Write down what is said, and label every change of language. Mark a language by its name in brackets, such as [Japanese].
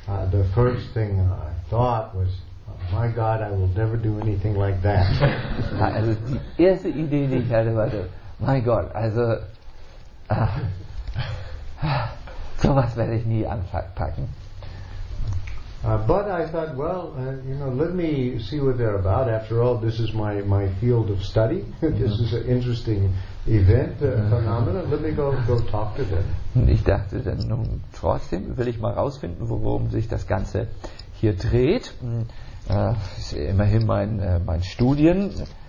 [English] The first thing I thought was, my God, I will never do anything like that. [German] Also die erste Idee, die ich hatte, war so, [English] my God, [German] also sowas werde ich nie anpacken. [English] But I thought, well, you know, let me see what they're about. After all, this is my field of study. This is an interesting event, phenomenon. Let me go talk to them. [German] Ich dachte dann, nun trotzdem will ich mal rausfinden, worum sich das Ganze hier dreht. Das ist immerhin mein Studienfeld.